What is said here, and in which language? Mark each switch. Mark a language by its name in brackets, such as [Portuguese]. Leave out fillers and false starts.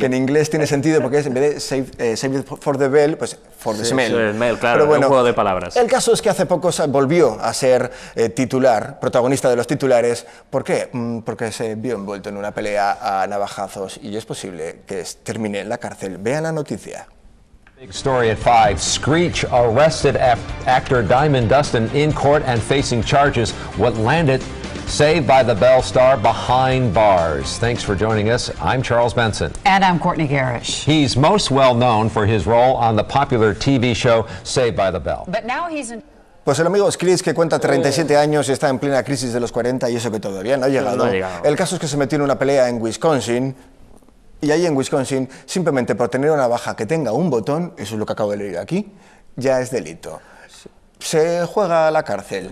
[Spanish] Que en inglés tiene sentido porque es, en vez de [English] save for the bell, [Spanish] pues [English] for the smell. [Spanish] Sí, smell, claro, pero bueno, un juego de palabras. El caso es que hace poco volvió a ser titular, protagonista de los titulares. ¿Por qué? Porque se vio envuelto en una pelea a navajazos y es posible que termine en la cárcel. Vean la noticia. [English] Big story at 5. Screech arrested actor Diamond Dustin in court and facing charges. What landed Saved by the Bell star behind bars. Thanks for joining us. I'm Charles Benson. And I'm Courtney Garish. He's most well known for his role on the popular TV show Saved by the Bell. But now he's in... [Spanish] Pues el amigo Screech, que cuenta 37 años y está en plena crisis de los 40, y eso que todavía no ha llegado. El caso es que se metió en una pelea en Wisconsin. Y ahí en Wisconsin, simplemente por tener una navaja que tenga un botón, eso es lo que acabo de leer aquí, ya es delito. Se juega a la cárcel.